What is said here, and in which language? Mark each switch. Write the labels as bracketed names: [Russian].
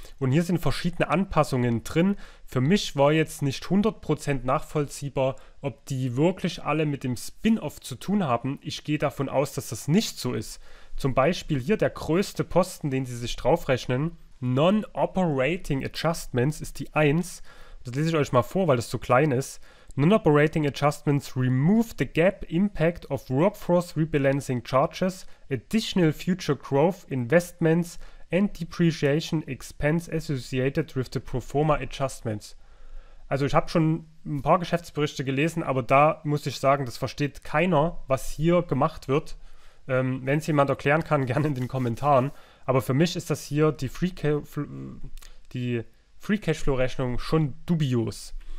[German] Und hier sind verschiedene Anpassungen drin. Für mich war jetzt nicht 100% nachvollziehbar, ob die wirklich alle mit dem Spin-off zu tun haben. Ich gehe davon aus, dass das nicht so ist. Zum Beispiel hier der größte Posten, den sie sich draufrechnen. Non-Operating Adjustments ist die 1. Das lese ich euch mal vor, weil das so klein ist. [English] Non-Operating Adjustments remove the gap impact of workforce rebalancing charges, additional future growth investments and depreciation expense associated with the pro forma adjustments. [German] Also ich habe schon ein paar Geschäftsberichte gelesen, aber da muss ich sagen, das versteht keiner, was hier gemacht wird. Wenn es jemand erklären kann, gerne in den Kommentaren. Aber für mich ist das hier die Free Cashflow-Rechnung schon dubios.